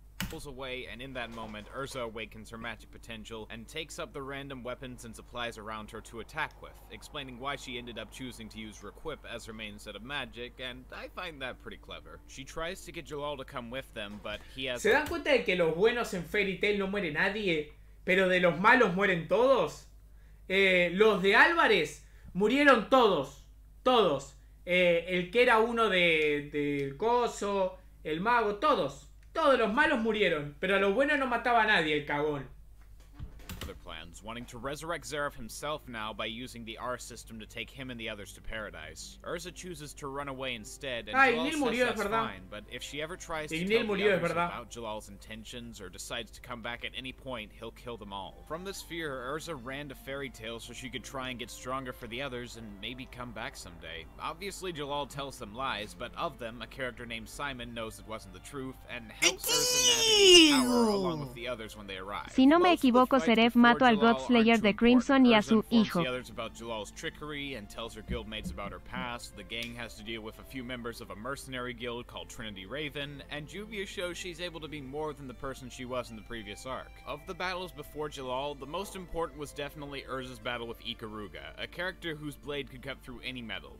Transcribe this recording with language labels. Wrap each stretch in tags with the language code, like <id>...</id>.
<en>Pulls away, and in that moment, Urza awakens her magic potential and takes up the random weapons and supplies around her to attack with, explaining why she ended up choosing to use Requip as her main set of magic, and I find that pretty clever. She tries to get Jalal to come with them, but he has.</en> <es>¿Se dan cuenta de que los buenos en Fairy Tail no muere nadie, pero de los malos mueren todos? Los de Álvarez murieron todos, todos. El que era uno del coso, el mago, todos. Todos los malos murieron, pero a los buenos no mataba a nadie, el cagón.</es> <en>Other plans, wanting to resurrect Seraph himself now by using the R system to take him and the others to paradise. Urza chooses to run away instead, and Jalal</en> <es>murió,</es> <en>says that's fine, but if she ever tries to tell</en> <es>murió,</es> <en>the others about Jalal's intentions or decides to come back at any point, he'll kill them all. From this fear, Urza ran to Fairy Tail so she could try and get stronger for the others and maybe come back someday. Obviously, Jalal tells them lies, but of them, a character named Simon knows it wasn't the truth and helps Urza navigate the power along with the others when they arrive.</en> <es>Si no me equivoco, Seraph mato al God Slayer de Crimson y a su hijo.</es> <en>The others about Jalal's trickery and tells her guildmates about her past. The gang has to deal with a few members of a mercenary guild called Trinity Raven, and Juvia shows she's able to be more than the person she was in the previous arc. Of the battles before Jalal, the most important was definitely Urza's battle with Ikaruga, a character whose blade could cut through any metal.</en>